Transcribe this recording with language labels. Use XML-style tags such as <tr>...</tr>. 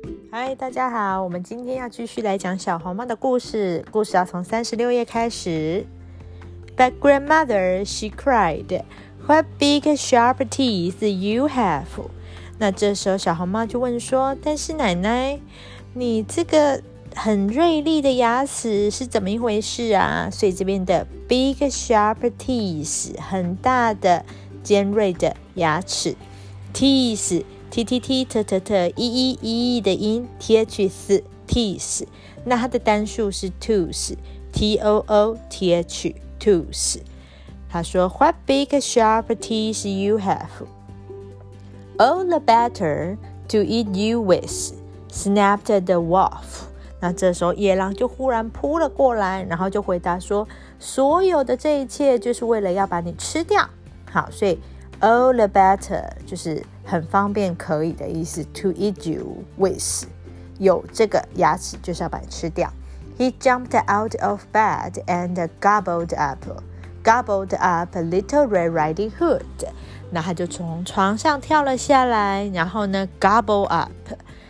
<zh>嗨，大家好，我们今天要继续来讲小黄猫的故事，故事要从36页开始。</zh> <en>But grandmother, she cried, what big sharp teeth you have?</en> <zh>那这时候小黄猫就问说，但是奶奶，你这个很锐利的牙齿是怎么一回事啊？所以这边的</zh> <en>big sharp teeth,</en> <zh>很大的尖锐的牙齿， teeth,t t t t t t e e e e 的音 t h s teeth， 那它的单数是 tooth， t o o t h tooth。他说</zh> <en>，What big sharp teeth you have？ All the better to eat you with， snapped the wolf。</en> <zh>那这时候野狼就忽然扑了过来，然后就回答说，所有的这一切就是为了要把你吃掉。好，所以</zh> <en>all the better</en> <zh>就是。很方便可以的意思</zh> <en>To eat you with</en> <zh>有这个牙齿就是要把你吃掉</zh> <en>He jumped out of bed and gobbled up little red riding hood</en> <zh>那他就从床上跳了下来然后呢</zh> <en>gobble up</en>